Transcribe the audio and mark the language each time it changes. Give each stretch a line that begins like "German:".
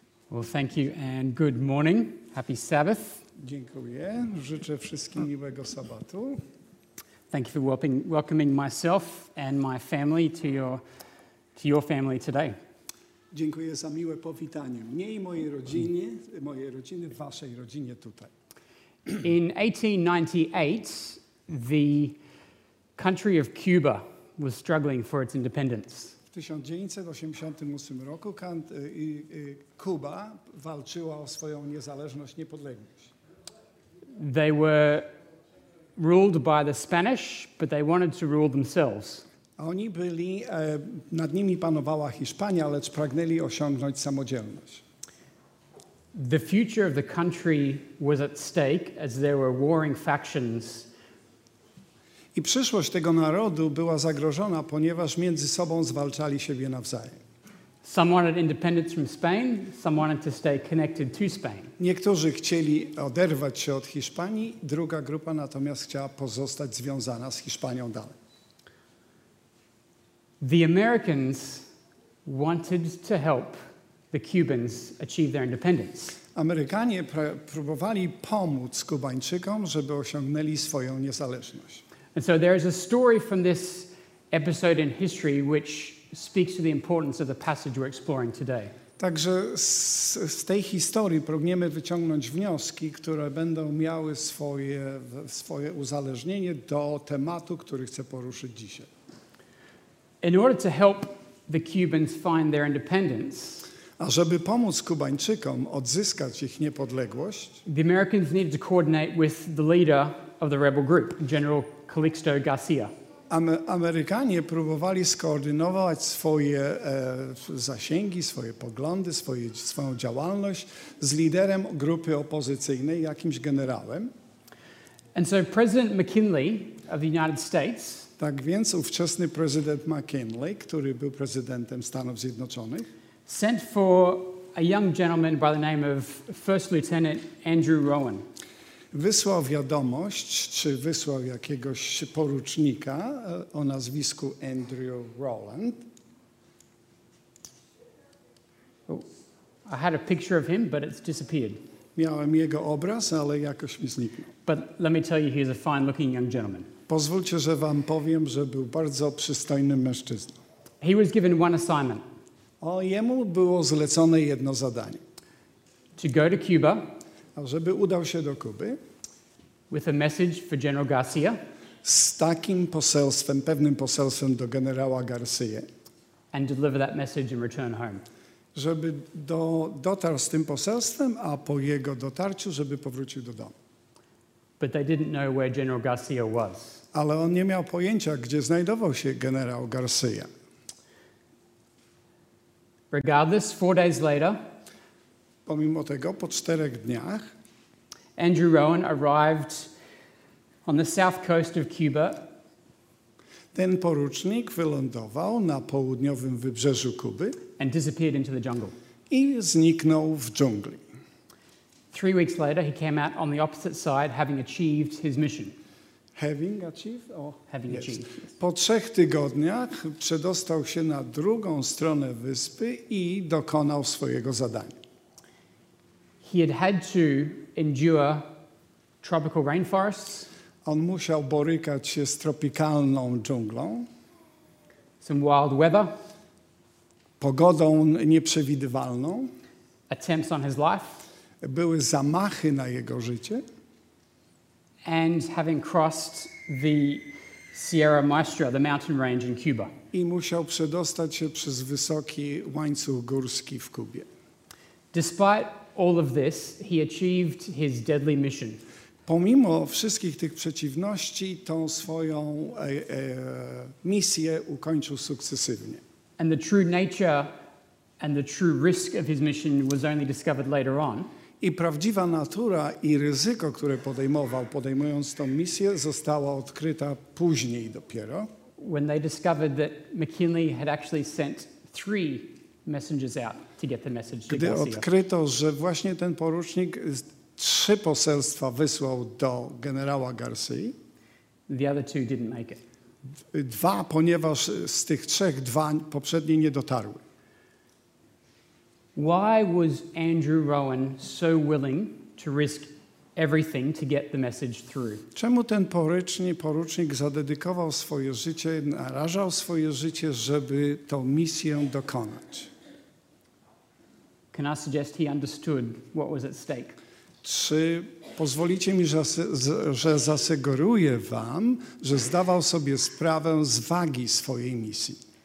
English: Well, thank you and good morning. Happy Sabbath.
Polish: Dziękuję. Życzę wszystkim miłego sabatu.
English: Thank you for welcoming myself and my family to your family today.
Polish: Dziękuję za miłe powitanie mnie i mojej rodziny w waszej rodzinie tutaj.
English: In 1898, the country of Cuba was struggling for its independence.
Polish: W 1988 roku Kuba walczyła o swoją niezależność, niepodległość.
English: They were ruled by the Spanish, but they wanted to rule themselves.
Polish: Oni byli, nad nimi panowała Hiszpania, lecz pragnęli osiągnąć samodzielność.
English: The future of the country was at stake as there were warring factions.
Polish: I przyszłość tego narodu była zagrożona, ponieważ między sobą zwalczali siebie nawzajem.
English: Some wanted independence from Spain, some wanted to stay connected to Spain.
Polish: Niektórzy chcieli oderwać się od Hiszpanii, druga grupa natomiast chciała pozostać związana z Hiszpanią dalej.
English: The Americans wanted to help the Cubans achieve their independence.
Polish: Amerykanie próbowali pomóc Kubańczykom, żeby osiągnęli swoją niezależność.
English: And so there is a story from this episode in history which speaks to the importance of the passage we're exploring today.
Polish: Także z tej historii pragniemy wyciągnąć wnioski, które będą miały swoje uzależnienie do tematu, który chcę poruszyć dzisiaj.
English: In order to help the Cubans find their independence,
Polish: a żeby pomóc Kubańczykom odzyskać ich niepodległość,
English: the Americans needed to coordinate with the leader of the rebel group, General Calixto Garcia.
Polish: Amerykanie próbowali skoordynować swoje zasięgi, swoje poglądy, swoją działalność z liderem grupy opozycyjnej, jakimś generałem.
English: And so President McKinley of the United States,
Polish: tak więc ówczesny prezydent McKinley, który był prezydentem Stanów Zjednoczonych,
English: sent for a young gentleman by the name of First Lieutenant Andrew Rowan.
Polish: Wysłał wiadomość, czy wysłał jakiegoś porucznika o nazwisku Andrew Rowland.
English: Oh, I had a picture of him, but it's disappeared.
Polish: Miałem jego obraz, ale jakoś mi zniknął.
English: But let me tell you, he is a fine-looking young gentleman.
Polish: Pozwólcie, że wam powiem, że był bardzo przystojnym mężczyzną.
English: He was given one assignment.
Polish: O, jemu było zlecone jedno zadanie.
English: To go to Cuba.
Polish: A żeby udał się do Kuby
English: with a message for General Garcia,
Polish: z takim poselstwem, pewnym poselstwem do generała Garcia,
English: and deliver that message and return home.
Polish: Żeby dotarł z tym poselstwem, a po jego dotarciu, żeby powrócił do domu.
English: But they didn't know where General Garcia was.
Polish: Ale on nie miał pojęcia, gdzie znajdował się generał Garcia.
English: Regardless, 4 days later,
Polish: pomimo tego, po 4 dniach
English: Andrew Rowan arrived on the south coast of Cuba.
Polish: Ten porucznik wylądował na południowym wybrzeżu Kuby
English: and disappeared into the jungle.
Polish: I zniknął w dżungli.
English: 3 weeks later he came out on the opposite side having achieved his mission. Having achieved.
Polish: Po 3 tygodniach przedostał się na drugą stronę wyspy i dokonał swojego zadania.
English: He had had to endure tropical rainforests.
Polish: On musiał borykać się z tropikalną dżunglą.
English: Some wild weather.
Polish: Pogodą nieprzewidywalną.
English: Attempts on his life.
Polish: Były zamachy na jego życie.
English: And having crossed the Sierra Maestra, the mountain range in Cuba.
Polish: I musiał przedostać się przez wysoki łańcuch górski w Kubie.
English: Despite all of this, he achieved his deadly mission.
Polish: Pomimo wszystkich tych przeciwności, tą swoją misję ukończył sukcesywnie.
English: And the true nature and the true risk of his mission was only discovered later on.
Polish: I prawdziwa natura i ryzyko, które podejmując tą misję, została odkryta później dopiero.
English: When they discovered that McKinley had actually sent 3 messengers out to get the message to Garcia.
Polish: Gdy odkryto, że właśnie ten porucznik 3 poselstwa wysłał do generała Garcia.
English: The other 2 didn't make it.
Polish: 2, ponieważ z tych 3 2 poprzednie nie dotarły.
English: Why was Andrew Rowan so willing to risk everything to get the message through?
Polish: Czemu ten porucznik zadedykował swoje życie, narażał swoje życie, żeby tą misję dokonać?
English: Can I suggest he understood what was at stake?
Polish: Czy pozwolicie mi, że zasugeruję wam, że zdawał sobie sprawę z wagi swojej misji?